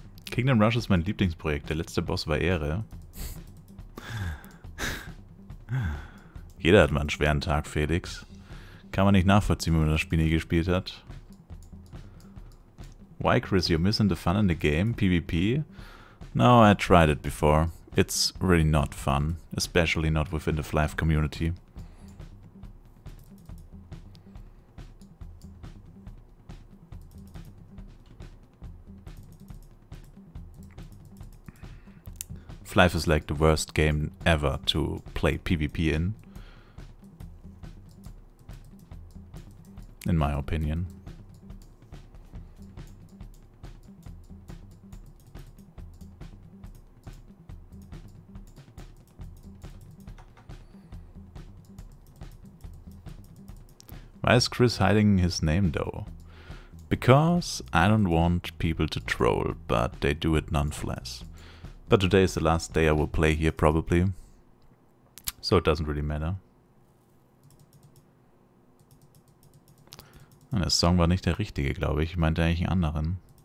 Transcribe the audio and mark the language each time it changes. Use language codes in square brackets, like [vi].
[de] Kingdom Rush ist mein Lieblingsprojekt. Der letzte Boss war Ehre. Jeder hat mal einen schweren Tag, Felix. Kann man nicht nachvollziehen, wenn man das Spiel nie gespielt hat. [en] Why, Chris, you're missing the fun in the game? PvP? No, I tried it before. It's really not fun. Especially not within the FLAF community. Life is like the worst game ever to play PvP in my opinion. Why is Chris hiding his name though? Because I don't want people to troll, but they do it nonetheless. But today is the last day I will play here, probably. So it doesn't really matter. [de] Der Song war nicht der richtige, glaube ich. Ich meinte eigentlich einen anderen.